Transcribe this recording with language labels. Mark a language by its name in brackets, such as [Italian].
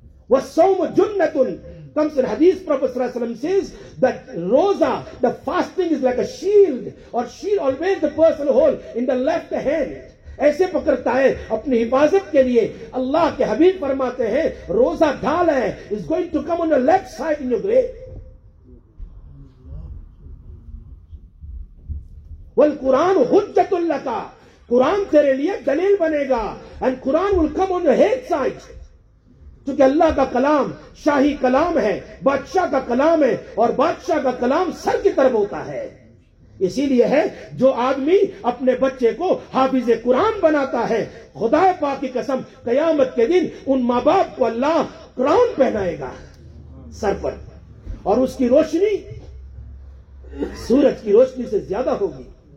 [Arabic] वसौम जुन्नतुन [English] comes in Hadith, Prophet ﷺ says that roza, the fasting is like a shield, or shield always the person hold in the left hand. [Hindi] ऐसे पकड़ता है अपनी हिफाजत के लिए अल्लाह के हबीब फरमाते हैं रोजा ढाल है [English] is going to come on your left side in your grave. Well, Quran [Arabic] hujjatul laka, [English] Quran [Hindi] तेरे लिए दलील बनेगा [English] and Quran will come on your head side. [Hindi] क्योंकि अल्लाह का कलाम शाही कलाम है बादशाह का कलाम है और बादशाह का कलाम सर की तरफ होता है इसीलिए है जो आदमी अपने बच्चे को हाफिज कुरान बनाता है खुदा पाक की कसम कयामत के दिन उन माँ बाप को अल्लाह क्राउन पहनाएगा सर पर और उसकी रोशनी सूरज की रोशनी से ज्यादा होगी